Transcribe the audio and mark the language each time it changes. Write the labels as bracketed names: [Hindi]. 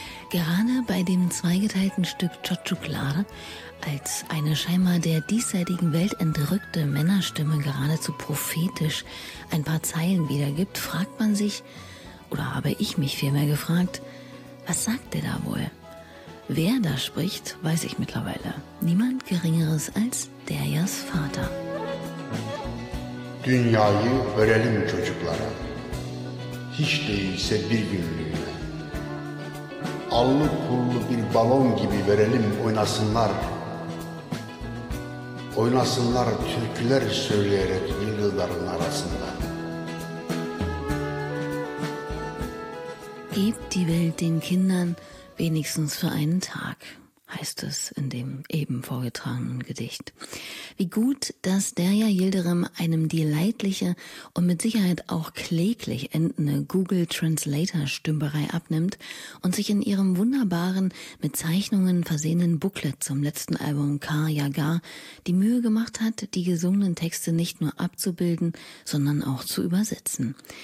[German] Gerade bei dem zweigeteilten Stück Çocuklar, als eine scheinbar der diesseitigen Welt entrückte Männerstimme geradezu prophetisch ein paar Zeilen wiedergibt, fragt man sich, oder habe ich mich vielmehr gefragt, was sagt der da wohl? Wer da spricht, weiß ich mittlerweile. Niemand Geringeres als Derya's Vater. [Turkish] Dünyayı örelim çocuklara, hiç değilse bir günlüğüne. Allı pullu bir balon gibi verelim oynasınlar. Oynasınlar türküler söyleyerek yıldızların arasında. [German] Gib die Welt den Kindern wenigstens für einen Tag, heißt es in dem eben vorgetragenen Gedicht. Wie gut, dass Derya Yıldırım einem die leidliche und mit Sicherheit auch kläglich endende Google Translator-Stümperei abnimmt und sich in ihrem wunderbaren, mit Zeichnungen versehenen Booklet zum letzten Album Kar Yagar die Mühe gemacht hat, die gesungenen Texte nicht nur abzubilden, sondern auch zu übersetzen.